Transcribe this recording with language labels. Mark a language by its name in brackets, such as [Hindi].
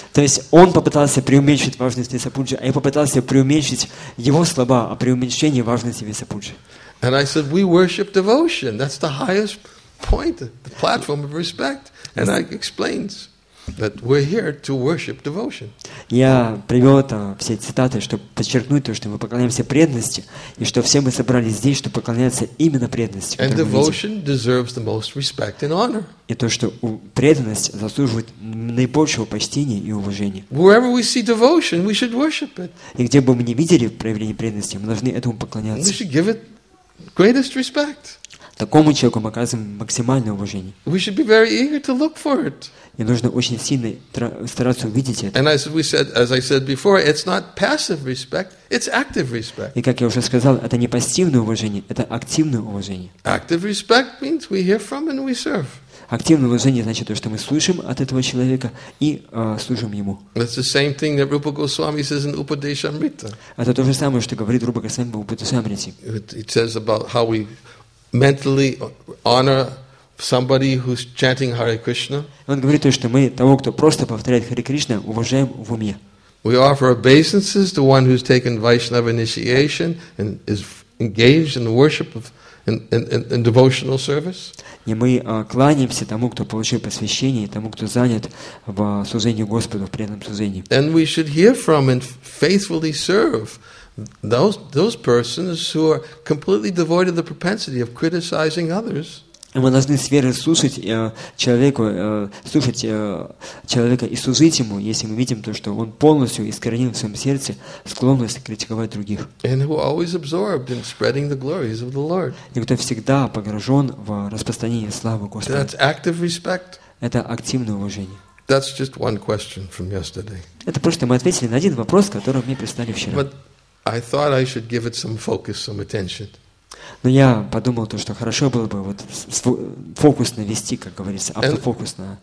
[Russian] То есть он попытался преуменьшить важность Вьяса Пуджи, а я попытался преуменьшить его слова о преуменьшении важности Вьяса Пуджи. [English] And I said, we worship devotion. That's the highest point, the platform of respect. And I explained. that we're here to worship devotion. [Russian] Я привел это все цитаты, чтобы подчеркнуть то, что мы поклоняемся преданности и что все мы собрались здесь, чтобы поклоняться именно преданности. [English] And devotion deserves the most respect and honor. [Russian] И то, что преданность заслуживает наибольшего почтения и уважения. [English] Wherever we see devotion, we should worship it. [Russian] И где бы мы ни видели проявление преданности, мы должны этому поклоняться. [English] We should give it greatest respect. [Russian] Такому человеку мы оказываем максимальное уважение. [English] We should be very eager to look for it. [Russian] И нужно очень сильно стараться увидеть это. [English] And as we said, as I said before, it's not passive respect, it's active respect. [Russian] И как я уже сказал, это не пассивное уважение, это активное уважение. [English] Active respect means we hear from and we serve. [Russian] Активное уважение значит то, что мы слышим от этого человека и служим ему. [English] That's the same thing that Rupa Goswami says in Upadeshamrita. [Russian] Это то же самое, что говорит Рупа Госвами в Упадешамрите. [English] It says about how we mentally honor somebody who's chanting Hare Krishna. [Russian] Он говорит то, что мы того, кто просто повторяет Харе Кришна, уважаем в уме. [English] We offer obeisances to one who's taken Vaishnava initiation and is engaged in the worship of in devotional service. [Russian] И мы кланяемся тому, кто получил посвящение, тому, кто занят в служении Господу, в преданном служении. [English] And we should hear from and faithfully serve those persons who are completely devoid of the propensity of criticizing others. [Russian] И мы должны с верой слушать человеку, слушать человека и служить ему, если мы видим то, что он полностью искоренил в своем сердце склонность критиковать других. [English] And who always absorbed in spreading the glories of the Lord. [Russian] И кто всегда погружен в распространение славы Господа. [English] That's active respect. [Russian] Это активное уважение. [English] That's just one question from yesterday. [Russian] Это просто мы ответили на один вопрос, который мне прислали вчера. [English] But I thought I should give it some focus, some attention. [Russian] Но я подумал то, что хорошо было бы вот фокус навести, как говорится, автофокус на.